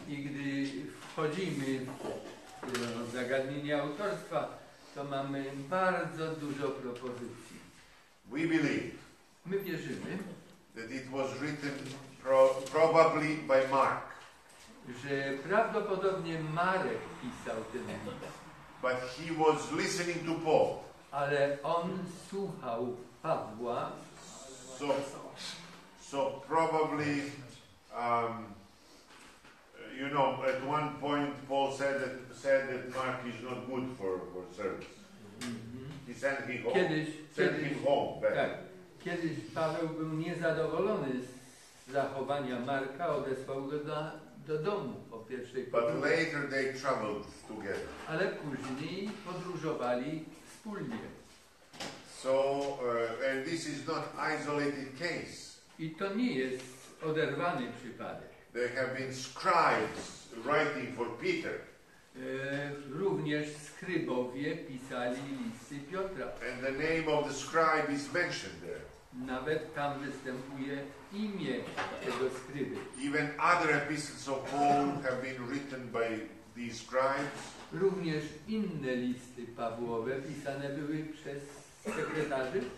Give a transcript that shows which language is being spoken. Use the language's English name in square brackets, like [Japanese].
[Polish] I gdy wchodzimy w zagadnienie autorstwa, to mamy bardzo dużo propozycji. [English] We believe. [Polish] My wierzymy. [English] That it was written probably by Mark. [Polish] Że prawdopodobnie Marek pisał ten list. [English] But he was listening to Paul. [Polish] Ale on słuchał Pawła. [English] So probably, you know, at one point Paul said that Mark is not good for service. Mm-hmm. He sent him home. [Polish] Kiedyś Paweł był niezadowolony z zachowania Marka, odesłał go do domu po pierwszej podróży. [English] But later they traveled together. [Polish] Ale później podróżowali wspólnie. [English] So, and this is not isolated case. [Polish] I to nie jest oderwany przypadek. [English] There have been scribes writing for Peter. [Polish] Również skrybowie pisali listy Piotra. [English] And the name of the scribe is mentioned there. [Polish] Nawet tam występuje imię tego skryby. [English] Even other epistles of Paul have been written by these scribes. [Polish] Również inne listy Pawłowe pisane były przez sekretarzy.